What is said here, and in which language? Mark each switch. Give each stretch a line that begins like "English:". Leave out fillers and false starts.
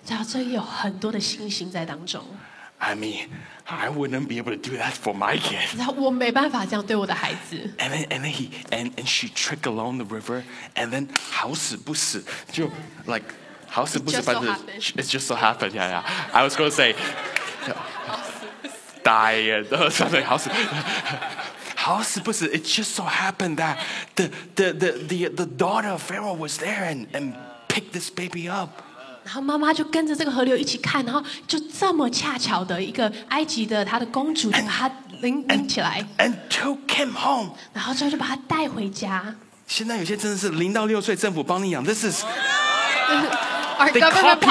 Chinese: 这有很多的信心在当中
English: I mean, I wouldn't be able to do that for my kid.
Chinese: 我没办法这样对我的孩子。
English: And she trickled along the river, and then
Chinese: 好死不死就
English: like
Chinese: 好死不死反正
English: happened. It just so happened. Yeah, yeah. I was going to say,
Chinese: 好死不死
English: die, something
Chinese: 好死好死不死
English: It just so happened that the daughter of Pharaoh was there and picked this baby up.
Chinese: 然后妈妈就跟着这个河流一起看，然后就这么恰巧的一个埃及的她的公主就把她拎起来
English: and took him home.
Chinese: 然后最后就把她带回家。现在有些真的是零到六岁政府帮你养 ，
English: This is our government policy.